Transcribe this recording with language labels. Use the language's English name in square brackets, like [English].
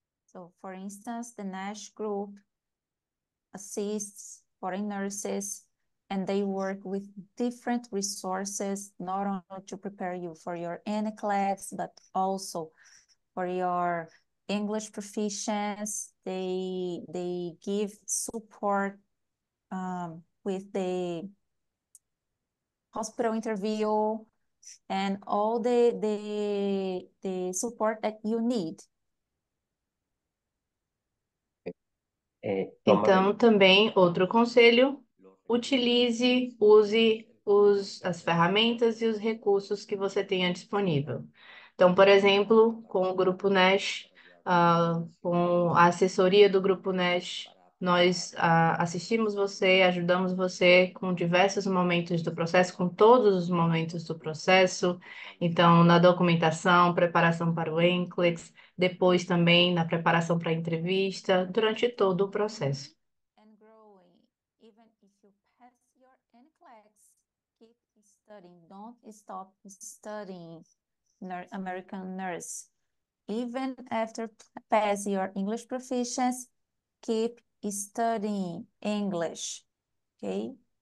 [English] So, for instance, the NASH group assists foreign nurses and they work with different resources, not only to prepare you for your NCLEX, but also for your English proficiency. They give support with the hospital interview and all the support that you need. [Portuguese] Então, também, outro conselho, utilize, use as ferramentas e os recursos que você tenha disponível. Então, por exemplo, com o Grupo NASH, com a assessoria do Grupo NASH, nós assistimos você, ajudamos você com diversos momentos do processo, com todos os momentos do processo. Então, na documentação, preparação para o NCLEX, depois também na preparação para a entrevista, durante todo o processo. [English] And growing, even if you pass your NCLEX, keep studying, don't stop studying American nurse. Even after pass your English proficiency, keep studying English, okay?